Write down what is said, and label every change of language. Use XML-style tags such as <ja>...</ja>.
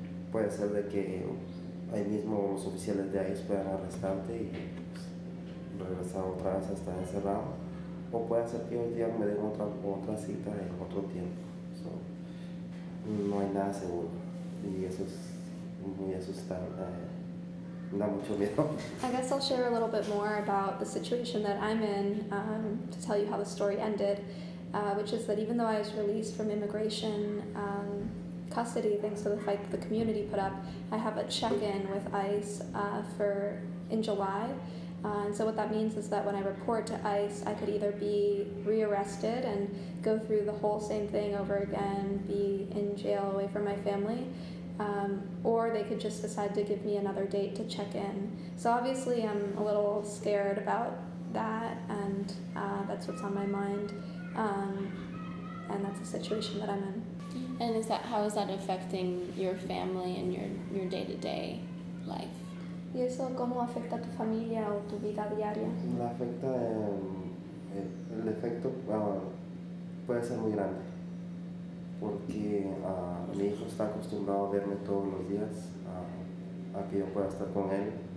<es>Puede ser de que ahí mismo los oficiales de ICE puedan arrestarte y pues, regresar otra vez a estar encerrado, o puede ser que un día me den otra cita en otro tiempo. So, no hay nada seguro y eso es muy asustante.</es> <en>I guess I'll share a little bit more about the situation that I'm in to tell you how the story ended, which is that even though I was released from immigration custody, thanks to the fight that the community put up, I have a check-in with ICE in July. And so what that means is that when I report to ICE, I could either be rearrested and go through the whole same thing over again, be in jail away from my family, or they could just decide to give me another date to check in. So obviously I'm a little scared about that, and that's what's on my mind, and that's the situation that I'm in. And how is that affecting your family and your day-to-day life?</en> <es>¿Y eso cómo afecta a tu familia o tu vida diaria? La afecta, el efecto puede ser muy grande. Porque mi hijo está acostumbrado a verme todos los días, a que yo pueda estar con él.</es>